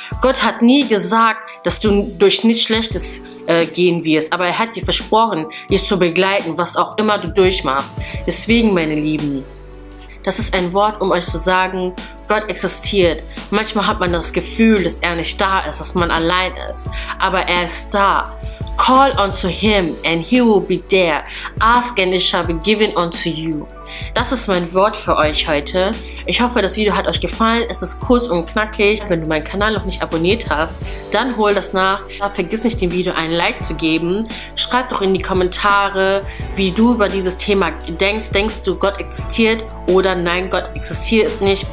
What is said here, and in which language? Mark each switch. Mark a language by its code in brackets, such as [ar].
[de] Gott hat nie gesagt, dass du durch nichts Schlechtes gehen wirst, aber er hat dir versprochen, dich zu begleiten, was auch immer du durchmachst. Deswegen, meine Lieben, das ist ein Wort, um euch zu sagen, Gott existiert. Manchmal hat man das Gefühl, dass er nicht da ist, dass man allein ist. Aber er ist da. [en] Call unto him and he will be there. Ask and it shall be given unto you. [de] Das ist mein Wort für euch heute. Ich hoffe, das Video hat euch gefallen. Es ist kurz und knackig. Wenn du meinen Kanal noch nicht abonniert hast, dann hol das nach. Vergiss nicht, dem Video ein Like zu geben. Schreib doch in die Kommentare, wie du über dieses Thema denkst. Denkst du, Gott existiert oder nein, Gott existiert nicht?